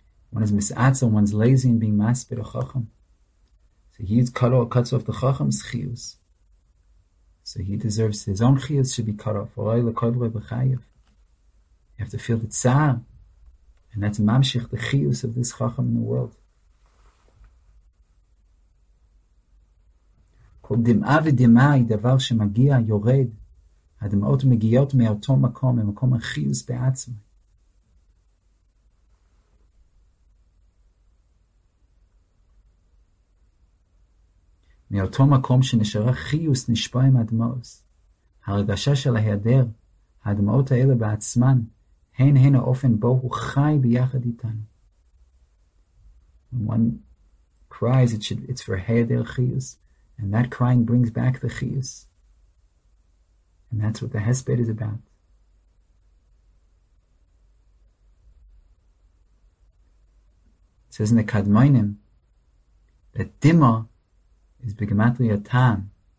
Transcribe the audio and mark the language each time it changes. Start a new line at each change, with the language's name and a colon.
English: One is misatzel, one's lazy in being masped a chacham. So he cuts off the chacham's chiyus. So he deserves his own chiyus should be cut off. You have to feel the tzar, and that's mamshich, the chiyus of this chacham in the world.
Hebrew: כל דמעה ודמעה היא דבר שמגיע, יורד. הדמעות מגיעות מאותו מקום, ממקום החיוס בעצמה. מאותו מקום שנשארה חיוס נשפע עם הדמעות. הרגשה של ההיעדר, הדמעות האלה בעצמן, הן הן האופן בו הוא חי ביחד איתנו.
English: It's for היעדר חיוס. And that crying brings back the chiyus. And that's what the hesped is about. It says in the Kadmonim that dima is begematria tam.